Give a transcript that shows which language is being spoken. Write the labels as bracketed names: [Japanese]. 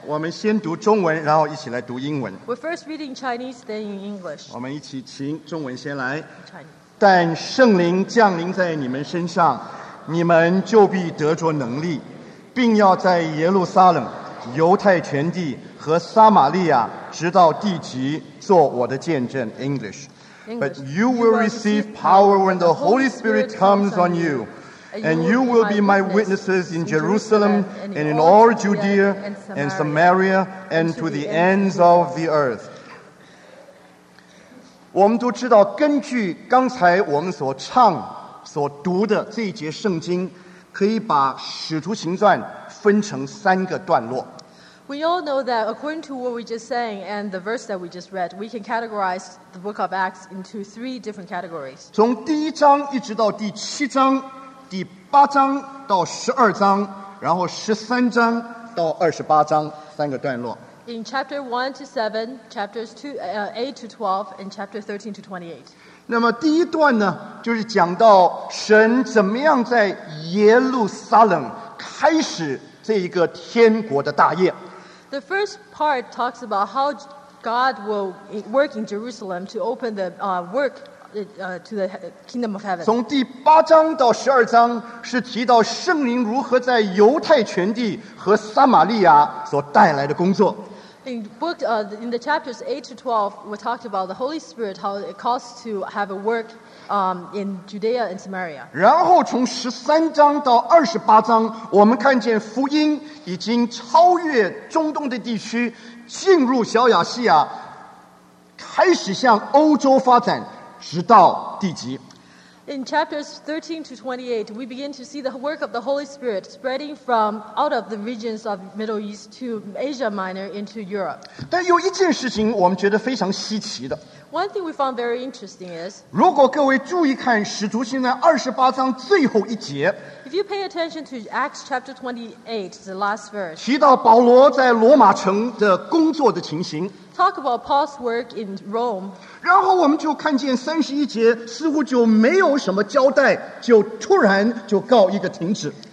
[Chinese] 我们先读中文，然后一起来读英文。 [English] We're first reading Chinese, then in English. [Chinese] 我们一起请中文先来。 [English] Chinese. [Chinese] 但圣灵降临在你们身上，你们就必得着能力，并要在耶路撒冷、犹太全地和撒玛利亚直到地极做我的见证。 [English] English. But you will receive power when the Holy Spirit comes on you, and you will be my witnesses in Jerusalem and in all Judea and Samaria and to the ends of the earth. [Chinese] 我们都知道，根据刚才我们所唱所读的这一节圣经，可以把《使徒行传》分成三个段落。 [English] We all know that according to what we just sang and the verse that we just read, we can categorize the book of Acts into three different categories. [Chinese] 从第一章一直到第七章、第八章到十二章，然后13章到28章，三个段落。 [English] In chapter 1 to 7, chapters 8 to 12, and chapter 13 to 28. [Chinese] 那么第一段呢，就是讲到神怎么样在耶路撒冷开始这一个天国的大业。 [English] The first part talks about how God will work in Jerusalem to open the work to the kingdom of heaven. [Chinese] 从第八章到十二章是提到圣灵如何在犹太全地和撒玛利亚所带来的工作。 [English] In the chapters 8 to 12, we talked about the Holy Spirit, how it costs to have a work in Judea and Samaria. [Chinese] 然后从13章到28章，我们看见福音已经超越中东的地区，进入小亚细亚，开始向欧洲发展，直到地极。 [English] In chapters 13 to 28, we begin to see the work of the Holy Spirit spreading from out of the regions of Middle East to Asia Minor into Europe. [Chinese] 但有一件事情我们觉得非常稀奇的。 [English] One thing we found very interesting is, [Chinese] 如果各位注意看使徒行传28章最后一节, [English] if you pay attention to Acts chapter 28, the last verse, [Chinese] 提到保罗在罗马城的工作的情形, [English] talk about Paul's work in Rome. [Chinese] 然后我们就看见31节似乎就没有什么交代, 就突然就告一个停止。